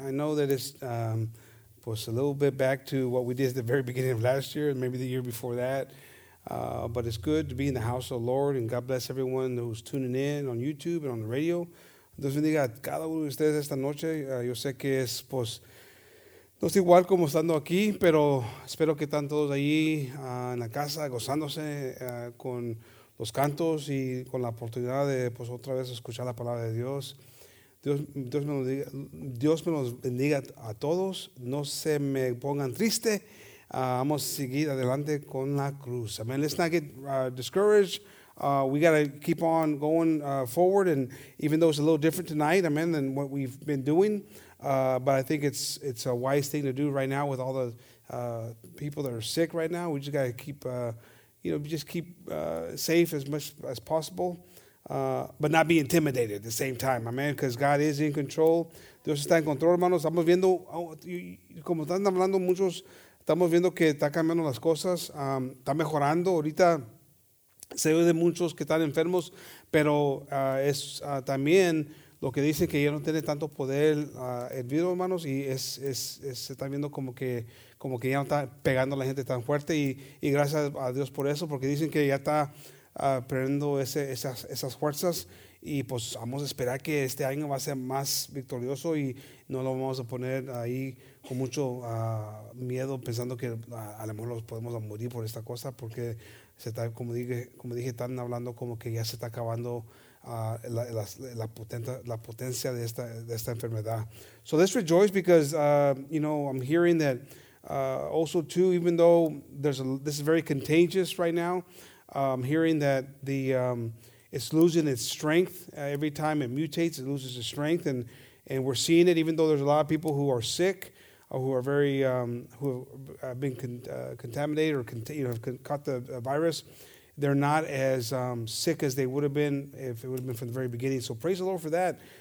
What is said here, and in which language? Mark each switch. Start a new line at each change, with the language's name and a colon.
English: I know that it's was a little bit back to what we did at the very beginning of last year, maybe the year before that. But it's good to be in the house of the Lord, and God bless everyone who's tuning in on YouTube and on the radio.
Spanish: Dios bendiga a cada uno de ustedes esta noche. Yo sé que es, pues, no es igual como estando aquí, pero espero que están todos allí en la casa gozándose con los cantos y con la oportunidad de, pues, otra vez escuchar la palabra de Dios. Dios me los bendiga a todos. No se me pongan triste. Vamos a seguir adelante con la cruz. Amen.
English: Let's not get discouraged. We got to keep on going forward. And even though it's a little different tonight, amen, than what we've been doing, but I think it's a wise thing to do right now with all the people that are sick right now. We just got to keep, safe as much as possible. But not be intimidated at the same time, amen, because God is in control.
Spanish: Dios está en control, hermanos. Estamos viendo, como están hablando muchos, estamos viendo que está cambiando las cosas, está mejorando. Ahorita se ve de muchos que están enfermos, pero es también lo que dicen que ya no tiene tanto poder el virus, hermanos, y se está viendo como que ya no está pegando a la gente tan fuerte, y gracias a Dios por eso, porque dicen que ya está perdiendo esas fuerzas, y pues vamos a esperar que este año va a ser más victorioso y no lo vamos a poner ahí con mucho miedo, pensando que a lo mejor los podemos morir por esta cosa, porque se está, como dije, están hablando como que ya se está acabando la potencia de esta enfermedad.
English: So let's rejoice, because I'm hearing that also too, even though this is very contagious right now, I'm hearing that it's losing its strength. Every time it mutates, it loses its strength, and we're seeing it. Even though there's a lot of people who are sick, or who are very who have been contaminated or have caught the virus, they're not as sick as they would have been if it would have been from the very beginning. So praise the Lord for that.